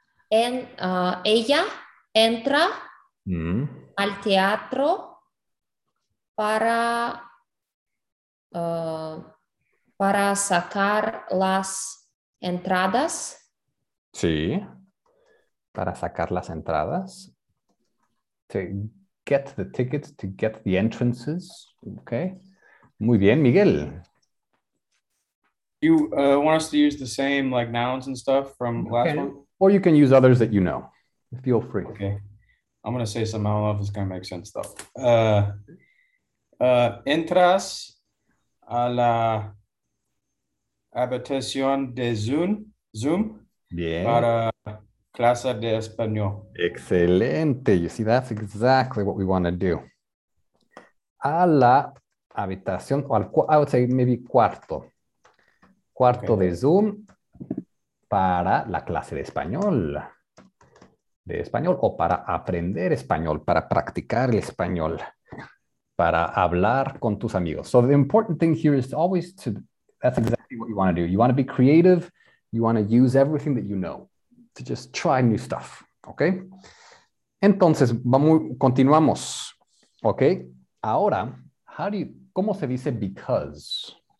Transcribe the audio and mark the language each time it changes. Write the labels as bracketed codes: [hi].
[es] Ella entra al teatro para, para sacar las entradas. Sí. Para sacar las entradas. [en] To get the tickets, to get the entrances. [es] Okay. Muy bien, Miguel. [en] You want us to use the same like nouns and stuff from last one? Or you can use others that you know. Feel free. Okay. I'm going to say something. I don't know if it's going to make sense though. [es] Entras a la habitación de Zoom. Bien. Para clase de español. Excelente. [en] You see, that's exactly what we want to do. [es] A la habitación, o al, [en] I would say maybe [es] cuarto. Cuarto okay. De Zoom para la clase de español. De español o para aprender español, para practicar el español, para hablar con tus amigos. [en] So the important thing here is always to, that's exactly what you want to do. You want to be creative. You want to use everything that you know to just try new stuff, okay? [es] Entonces, vamos, continuamos, okay? Ahora, [en] how do you, [es] ¿cómo se dice because?